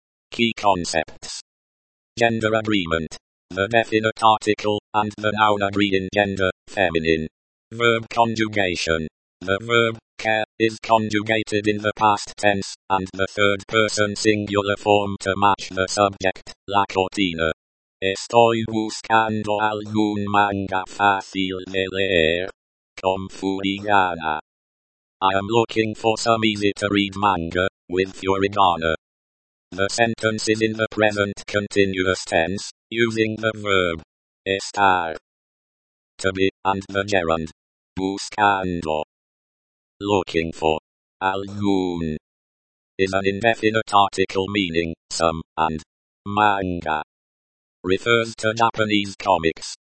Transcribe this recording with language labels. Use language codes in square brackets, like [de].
[en] Key concepts. Gender agreement. The definite article, and the noun agree in gender, feminine. Verb conjugation. The verb, care, is conjugated in the past tense, and the third person singular form to match the subject, la cortina. [es] Estoy buscando algún manga fácil de leer, con furigana. [en] I am looking for some easy-to-read manga, with furigana. The sentence is in the present continuous tense, using the verb, estar, to be, and the gerund, buscando. Looking for algún is an indefinite article meaning some, and manga refers to Japanese comics.